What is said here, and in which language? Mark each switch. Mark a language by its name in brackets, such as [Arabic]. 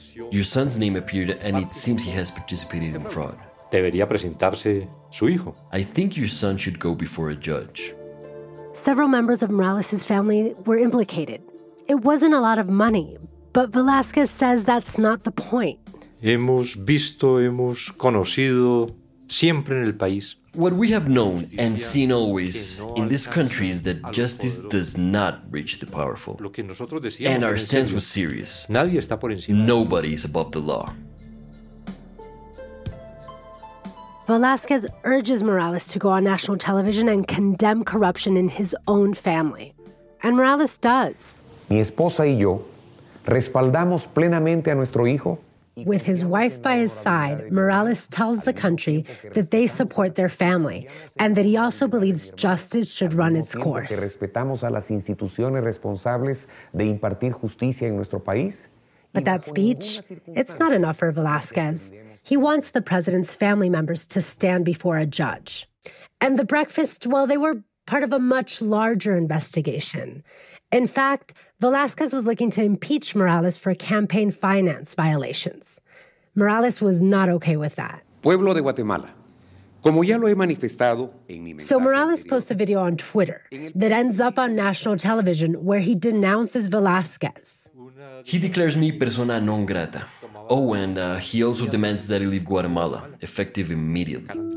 [English] Your son's name appeared and it seems he has participated in fraud. [Spanish] Debería presentarse su hijo. [English] I think your son should go before a judge. Several members of Morales' family were implicated. It wasn't a lot of money, but Velasquez says that's not the point. [Spanish] Hemos visto, hemos conocido siempre en el país. [English] What we have known and seen always in this country is that justice does not reach the powerful. And our stance was serious. Nobody is above the law. Velasquez urges Morales to go on national television and condemn corruption in his own family. And Morales does. [Spanish] Mi esposa y yo respaldamos plenamente a nuestro hijo. [English] With his wife by his side, Morales tells the country that they support their family and that he also believes justice should run its course. [Spanish] Que respetamos a las instituciones responsables de impartir justicia en nuestro país. [English] But that speech, it's not enough for Velasquez. He wants the president's family members to stand before a judge. And the breakfast, well, they were part of a much larger investigation. In fact, Velasquez was looking to impeach Morales for campaign finance violations. Morales was not okay with that. [Spanish] Pueblo de Guatemala, como ya lo he manifestado en mi mensaje. [English] So Morales posts a video on Twitter that ends up on national television where he denounces Velasquez. He declares me persona non grata. Oh, and he also demands that I leave Guatemala, effective immediately.